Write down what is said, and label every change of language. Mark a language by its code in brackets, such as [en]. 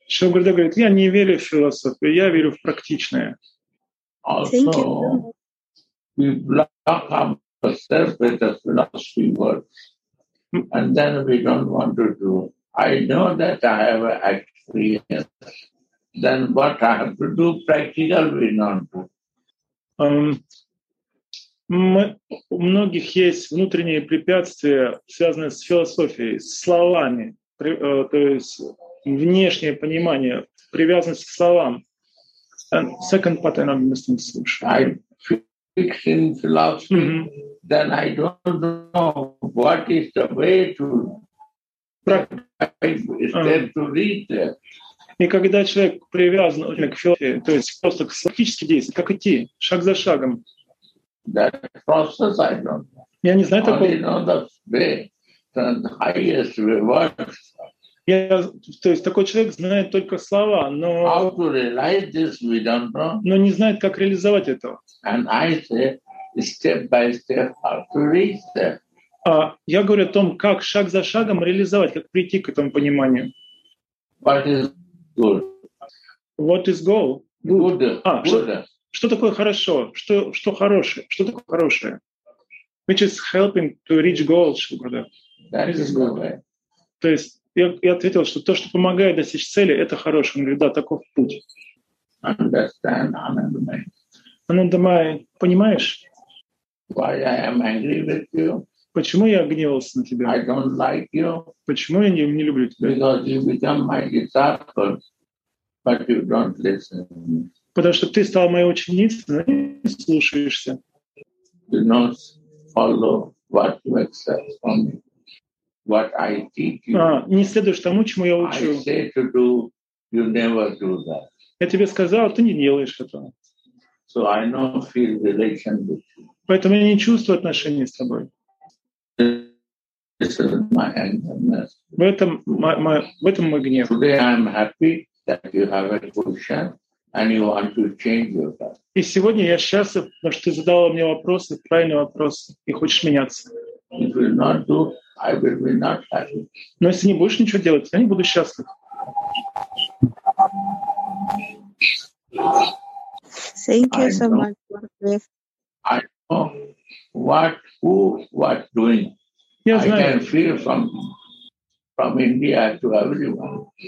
[ru] Shogurda говорит, я не верю в философию, я верю в практичное. [en] Also, we block ourselves with the philosophy words, and then we don't want to do. I know that I have experience. Then what I have to do practical, we don't do. [ru] У многих есть внутренние препятствия, связанные с философией, с словами, то есть внешнее понимание, привязанность к словам. [en] And second pattern of Muslim solution. I fix in philosophy, mm-hmm. then I don't know what is the way to to reach it. [ru] И когда человек привязан к философии, то есть просто к практически действует, как идти, шаг за шагом. [en] That process I don't know. [ru] Я не знаю такого. [en] Only know the way, the highest way works. [ru] То есть такой человек знает только слова, но [en] how to realize this, we don't know. [ru] Но не знает, как реализовать этого. [en] And I say step by step how to reach there. [ru] А я говорю о том, как шаг за шагом реализовать, как прийти к этому пониманию. [en] What is good? What is goal? Good. [ru] Что такое хорошо? Что хорошее? Что такое хорошее? [en] Which is helping to reach goals, [ru] что говорю. [en] That is good. [ru] То есть я ответил, что то, что помогает достичь цели, это хорошее. Он говорит, да, таков путь. [en] Understand, Anandamai. [ru] Anandamai, понимаешь? [en] Why I am angry with you? [ru] Почему я огневался на тебя? [en] I don't like you. [ru] Почему я не люблю тебя? [en] Because you become my disciple, but you don't listen. [ru] Потому что ты стал моей ученицей, но не слушаешься. [en] You don't follow what you accept from me. What I teach you. [ru] Не следуешь тому, чему я учу. [en] I say to do, you never do that. [ru] Я тебе сказал, ты не делаешь этого. [en] So I don't feel relation with you. [ru] Поэтому я не чувствую отношения с тобой. [en] This is my anger. [ru] В этом мой гнев. [en] Today I'm happy that you have a question and you want to change your life. [ru] И сегодня я счастлив, потому что ты задала мне вопросы, правильный вопрос, и хочешь меняться. [en] If you not do, I will be not happy. [ru] Но если не будешь ничего делать, я не буду счастлив. [en] Thank you so much. I know what who what doing. [ru] Я знаю. [en] I can feel from India to everyone.